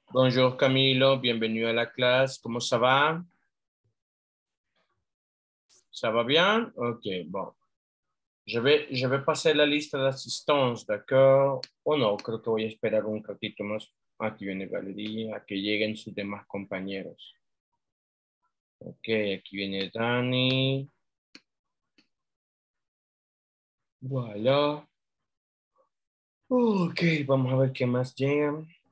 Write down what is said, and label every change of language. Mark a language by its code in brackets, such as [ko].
[es] Bonjour Camilo, bienvenido a la clase, ¿cómo se va? ¿Se va bien? Ok, bueno. [fr] Je vais passer la liste d'assistance, d'accord? [es] O no, creo que voy a esperar un ratito más. Aquí viene Valeria, a que lleguen sus demás compañeros. Ok, aquí viene Dani. Voilà. Ok, vamos a ver qué más llegan.